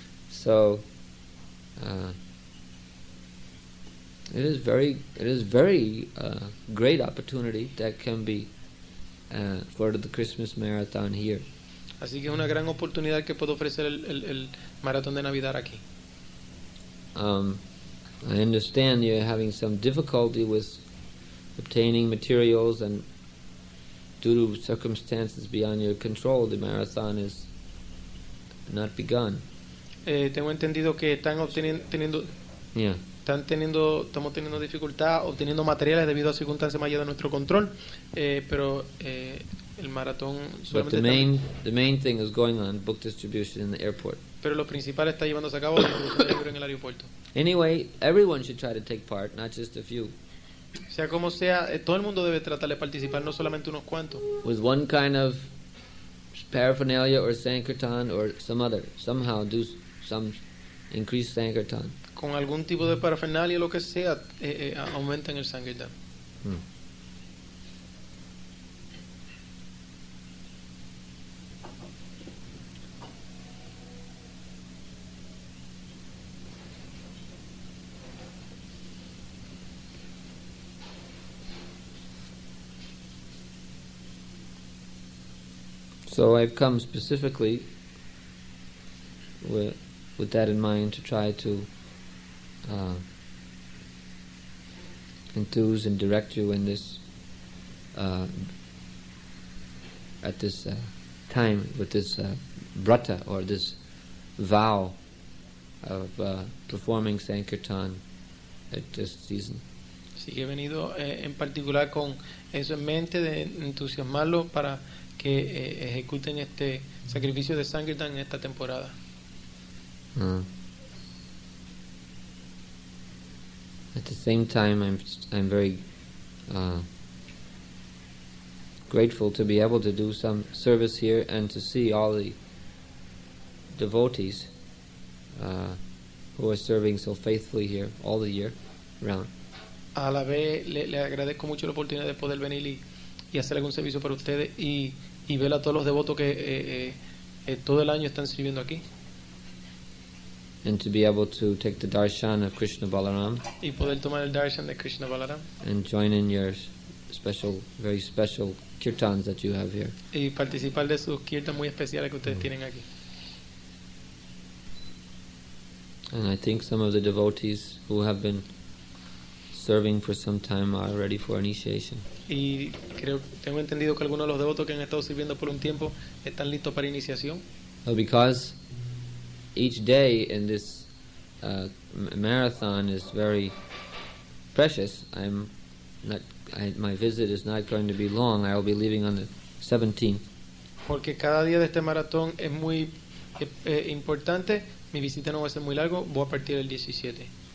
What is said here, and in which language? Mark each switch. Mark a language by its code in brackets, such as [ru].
[en] So it is very great opportunity that can be for the Christmas marathon here. [es] Así que es una gran oportunidad que puedo ofrecer el maratón de Navidad aquí. [en] I understand you're having some difficulty with obtaining materials, and due to circumstances beyond your control, the marathon is not begun. [es] Tengo entendido que están teniendo yeah. Estamos teniendo dificultad obteniendo materiales debido a circunstancias mayores de nuestro control, pero el maratón solamente. [en] But the main thing is going on, book distribution in the airport. [es] Pero lo principal está llevándose a cabo en el aeropuerto. [en] Anyway, everyone should try to take part, not just a few. [es] Sea como sea, todo el mundo debe tratar de participar, no solamente unos cuantos. [en] With one kind of paraphernalia or sankirtan or some other, somehow do some increase sankirtan. [es] Con algún tipo de parafernalia o lo que sea, aumentan el sankirtan. [en] So I've come specifically with that in mind to try to enthuse and direct you in this at this time with this vrata or this vow of performing sankirtan at this season. [es] Sí, he venido en particular con eso en mente de entusiasmarlo para que ejecuten este sacrificio de sankirtan en esta temporada. [en] At the same time, I'm very grateful to be able to do some service here and to see all the devotees who are serving so faithfully here all the year round. [es] A la vez, le agradezco mucho la oportunidad de poder venir y hacer algún servicio para ustedes y ver a todos los devotos que todo el año están sirviendo aquí. [en] And to be able to take the darshan of Krishna Balaram. [es] Y poder tomar el darshan de Krishna Balaram. [en] And join in your special, very special kirtans that you have here. [es] Y participar de sus kirtans muy especiales que ustedes tienen aquí. [en] And I think some of the devotees who have been serving for some time are ready for initiation. [es] Y creo, tengo entendido que algunos de los devotos que han estado sirviendo por un tiempo están listos para iniciación. [en] Well, because each day in this marathon is very precious. My visit is not going to be long. I will be leaving on the 17th. [es] porque cada día de este maratón es muy importante. Mi visita no va a ser muy largo, voy a partir el 17.